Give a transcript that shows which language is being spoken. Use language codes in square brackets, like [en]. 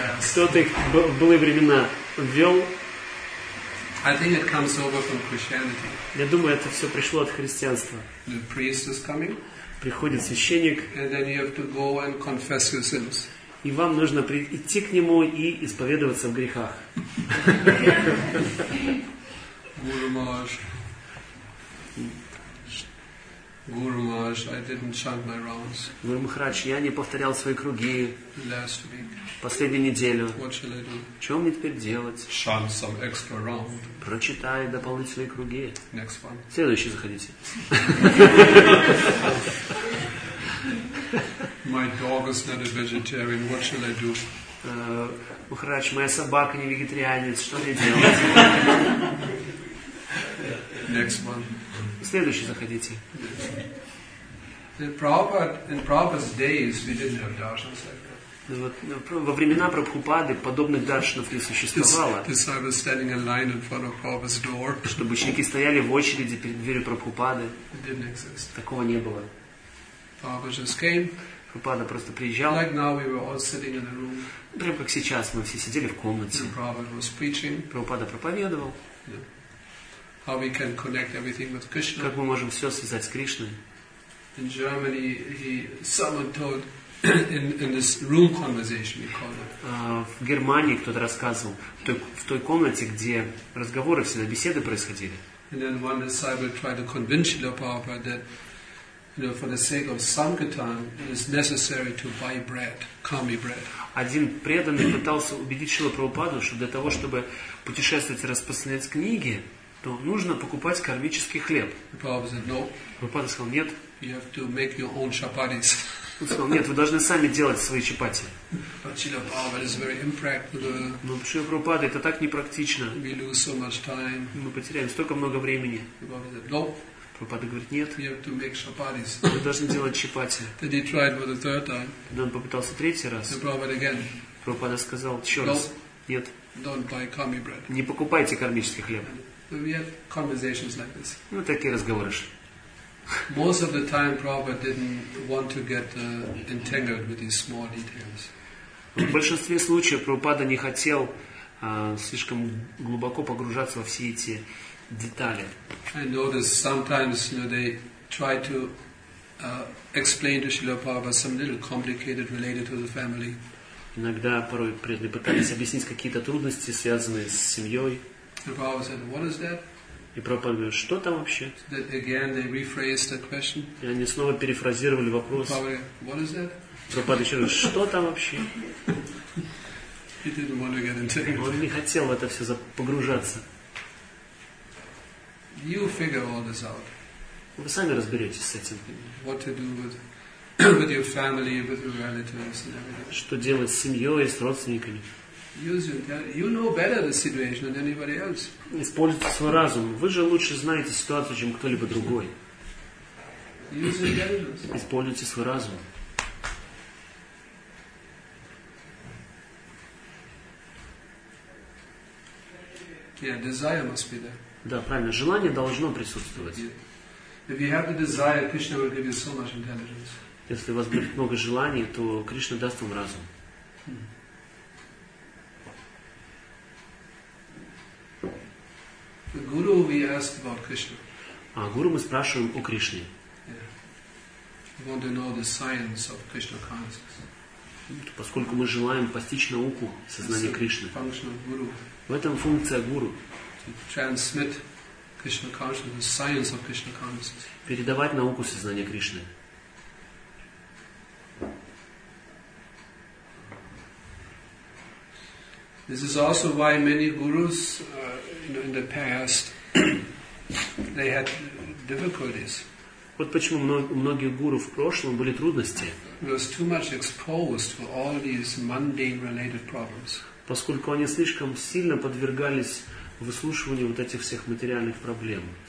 [ru] Кто-то их в былые времена ввел. [en] I think it comes over from Christianity. [ru] Я думаю, это все пришло от христианства. [en] The priest is coming. [ru] Приходит священник. [en] And then you have to go and confess your sins. [ru] И вам нужно прийти к нему и исповедоваться в грехах. Гуру Махарадж. [en] Гуру Махарадж, I didn't chant my rounds. [ru] Гуру Махарадж, я не повторял свои круги. [en] Last week. [ru] Последнюю неделю. [en] What shall I do? [ru] Что мне теперь делать? [en] Chant some extra round. [ru] Прочитай дополнительные круги. [en] Next one. [ru] Следующий заходите. [en] My dog is not a vegetarian. What shall I do? [ru] Махарадж, моя собака не вегетарианец. Что мне делать? [en] Next one. [ru] Следующий заходите. [en] In Prabhupada's days, we didn't have darshans like that. [ru] Во времена Прабхупады подобных даршанов не существовало. [en] Disciples standing in line in front of Prabhupada's door. [ru] Чтобы ученики стояли в очереди перед дверью Прабхупады. [en] It didn't exist. [ru] Такого не было. [en] Prabhupada just came. [ru] Прабхупада просто приезжал. [en] Like now we were all sitting in the room. [ru] Прямо как сейчас, мы все сидели в комнате. [en] Prabhupada was preaching. [ru] Прабхупада проповедовал. [en] Yeah. How we can connect everything with Krishna. [ru] Как мы можем все связать с Кришной. [en] In Germany, someone told in this room conversation, we call it. [ru] В Германии кто-то рассказывал, в той комнате, где разговоры всегда, беседы происходили. [en] And then one disciple tried to convince Srila Prabhupada that for the sake of sankirtan, it is necessary to buy bread, kami bread. [ru] Один преданный пытался убедить Шрилу Прабхупаду, что для того, чтобы путешествовать и распространять книги, то нужно покупать кармический хлеб. [en] Prabhupada said no. [ru] Прабхупада сказал нет. [en] You have to make your own chapatis. [ru] Он сказал нет, вы должны сами делать свои чапати. [en] But Shrila Prabhupada is very impractical. [ru] Но Шрила Прабхупада это так непрактично. [en] We lose so much time. [ru] Мы потеряем столько много времени. [en] Prabhupada said no. [ru] Прабхупада говорит, нет, [en] you have to make chapatis. [ru] Вы должны делать чапати. [en] Then he tried for the third time. [ru] Тогда он попытался третий раз. [en] Prabhupada again. [ru] Прабхупада сказал, еще [en] no. [ru] раз, нет. [en] Don't buy kami bread. [ru] Не покупайте кармический хлеб. [en] We have conversations like this. [ru] Ну, такие разговоры. [en] Most of the time, Prabhupada didn't want to get entangled with these small details. [ru] В большинстве случаев Прабхупада не хотел слишком глубоко погружаться во все эти детали. [en] I noticed sometimes, you know, they try to explain to Srila Prabhupada some little complicated related to the family. [ru] Иногда порой преданные пытались объяснить какие-то трудности, связанные с семьей. [en] And Prabhupada said, "What is that?" [ru] И Прабхупада говорит, что там вообще? [en] That again they rephrased that question. [ru] И они снова перефразировали вопрос. [en] Prabhupada, "What is that?" [ru] Прабхупада еще раз, что там вообще? [en] He didn't want to get into it. [ru] Он не хотел в это все погружаться. [en] You figure all this out. [ru] Вы сами разберетесь с этим. [en] What to do with your family, with your relatives and everything. [ru] Что делать с семьей, с родственниками? [en] You know better the situation than anybody else. [ru] Используйте свой разум. Вы же лучше знаете ситуацию, чем кто-либо другой. [en] Use your intelligence. [ru] Используйте свой разум. [en] Yeah, desire must be there. [ru] Да, правильно. Желание должно присутствовать. [en] If you have the desire, Krishna will give you so much intelligence. [ru] Если у вас будет много желаний, то Кришна даст вам разум. [en] The guru, we ask about Krishna. [ru] А гуру мы спрашиваем о Кришне. [en] Yeah. We want to know the science of Krishna consciousness. [ru] Поскольку мы желаем постичь науку сознания Кришны. [en] Function of guru. [ru] В этом функция гуру. [en] Transmit Krishna consciousness, the science of Krishna consciousness. [ru] Передавать науку сознания Кришны. [en] This is also why many gurus, in the past, they had difficulties. [ru] Вот почему у многих гуру в прошлом были трудности. [en] Was too much exposed to all these mundane related problems. [ru] Поскольку они слишком сильно подвергались выслушиванию вот этих всех материальных проблем.